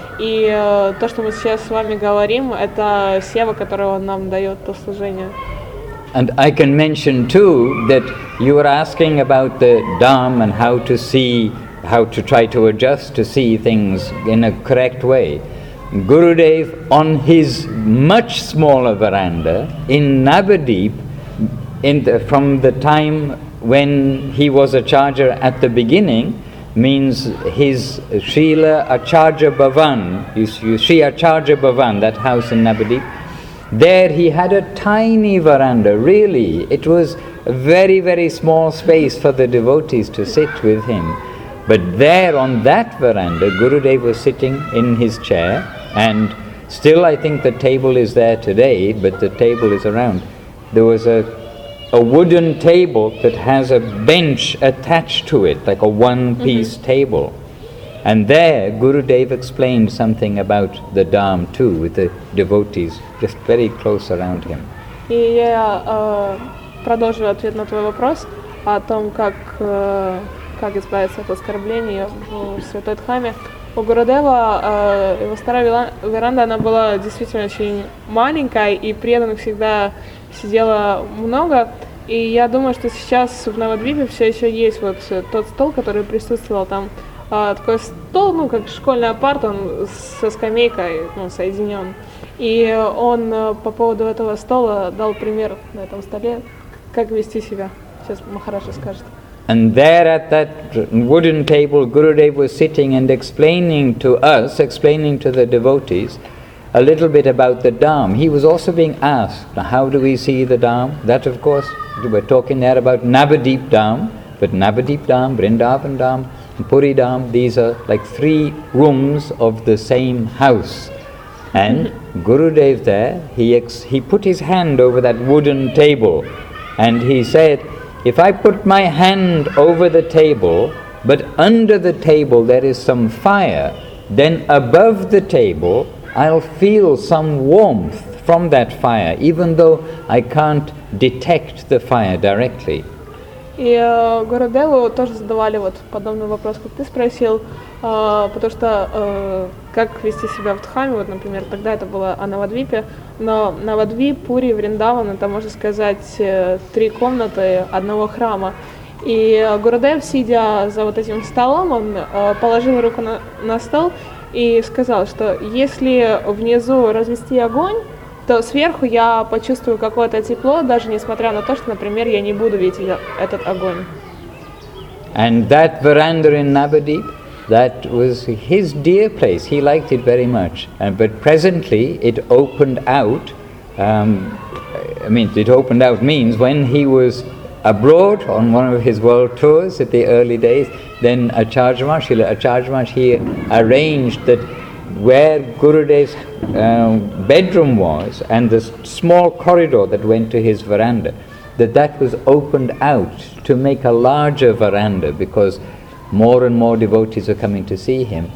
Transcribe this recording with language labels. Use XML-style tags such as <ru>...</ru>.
<ru>И то, что мы сейчас с вами говорим, это сева, которую он нам дает, то служение.</ru> <en>And I can mention too that you were asking about the Dham and how to see, how to try to adjust to see things in a correct way. Gurudev, on his much smaller veranda in Navadvip, from the time when he was a charger at the beginning, means his Srila Acharya Bhavan, Sri Acharya Bhavan, that house in Navadvip, there he had a tiny veranda, really. It was a very, very small space for the devotees to sit with him. But there on that veranda, Gurudev was sitting in his chair, and still I think the table is there today, but the table is around. There was a wooden table that has a bench attached to it, like a one-piece table. And there, Gurudev explained something about the Dham too, with the devotees just very close around him.</en> <ru>И я продолжу ответ на твой вопрос о том, как избавиться от оскорблений в Святой Дхаме. У Гурудева его старая веранда, она была действительно очень маленькая, и преданных всегда сидело много. И я думаю, что сейчас в Навадвипе все еще есть вот тот стол, который присутствовал там. Такой стол, ну, как школьная парта, он со скамейкой, ну, соединен. И он по поводу этого стола дал пример на этом столе, как вести себя. Сейчас Махараджа скажет.</ru> <en>And there at that wooden table, Gurudev was sitting and explaining to us, explaining to the devotees, a little bit about the Dham. He was also being asked, how do we see the Dham? That, of course, we're talking there about Navadvip Dham, but Navadvip Dham, Vrindavan Dham, Puri Dham, these are like three rooms of the same house. And Gurudev there, he put his hand over that wooden table and he said, if I put my hand over the table, but under the table there is some fire, then above the table I'll feel some warmth from that fire, even though I can't detect the fire directly.</en> <ru>И Гурудеву тоже задавали вот подобный вопрос, как ты спросил, потому что как вести себя в Дхаме, вот, например, тогда это было о Навадвипе, но Навадвип, Пури, Вриндаван, это, можно сказать, три комнаты одного храма. И Гурудев, сидя за вот этим столом, он положил руку на стол и сказал, что если внизу развести огонь, то сверху я почувствую какое-то тепло, даже несмотря на то, что, например, я не буду видеть этот огонь.</ru> <en>And that veranda in Navadvip, that was his dear place. He liked it very much. But presently it opened out. It opened out means when he was abroad on one of his world tours at the early days, then Acharya Mahesh, he arranged that where Gurudev's bedroom was and the small corridor that went to his veranda, that was opened out to make a larger veranda because more and more devotees are coming to see him.</en>